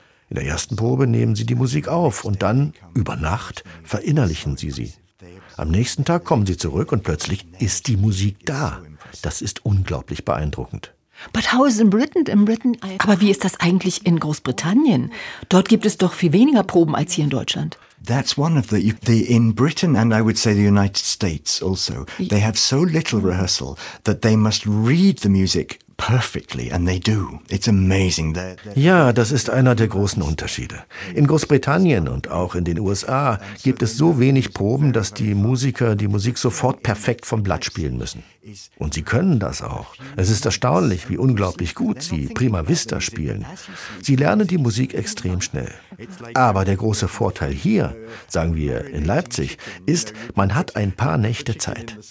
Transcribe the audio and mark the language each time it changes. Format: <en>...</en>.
<de>In der ersten Probe nehmen sie die Musik auf und dann, über Nacht, verinnerlichen sie sie. Am nächsten Tag kommen sie zurück und plötzlich ist die Musik da. Das ist unglaublich beeindruckend.</de> <en>But how is in Britain? In Britain,</en> <de>aber wie ist das eigentlich in Großbritannien? Dort gibt es doch viel weniger Proben als hier in Deutschland.</de> <en>That's one of the in Britain and I would say the United States also. They have so little rehearsal that they must read the music perfectly and they do. It's amazing.</en> <de>Ja, das ist einer der großen Unterschiede. In Großbritannien und auch in den USA gibt es so wenig Proben, dass die Musiker die Musik sofort perfekt vom Blatt spielen müssen. Und sie können das auch. Es ist erstaunlich, wie unglaublich gut sie Prima Vista spielen. Sie lernen die Musik extrem schnell. Aber der große Vorteil hier, sagen wir in Leipzig, ist, man hat ein paar Nächte Zeit.</de>